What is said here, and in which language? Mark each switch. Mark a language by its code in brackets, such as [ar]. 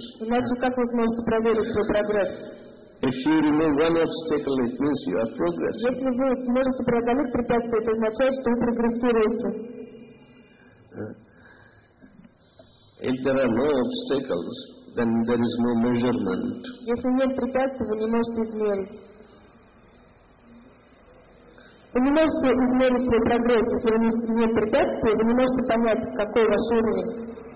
[ru] Иначе как вы сможете проверить свой прогресс? [en] If you remove one obstacle, it means you are progressing. [ru] Если вы можете преодолеть препятствие, это означает, что вы прогрессируете. [en] If there are no obstacles, then there is no measurement. [ru] Если нет препятствий, вы не можете измерить. Вы не можете измерить свой прогресс, если нет препятствий, вы не можете понять, какой ваш уровень.